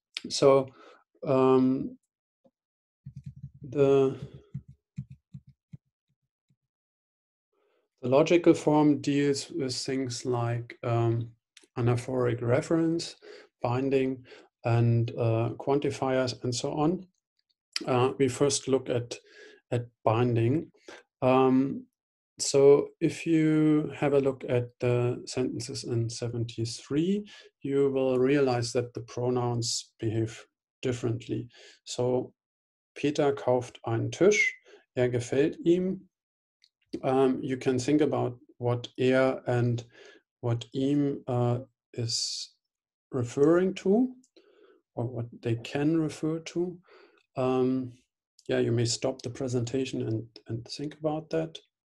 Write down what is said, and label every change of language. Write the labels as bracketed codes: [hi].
[en] So the logical form deals with things like anaphoric reference, binding, and quantifiers, and so on. We first look at binding. So if you have a look at the sentences in 73, you will realize that the pronouns behave differently. [de] So Peter kauft einen Tisch, er gefällt ihm. [en] You can think about what er and what ihm is referring to, or what they can refer to. yeah, you may stop the presentation and think about that.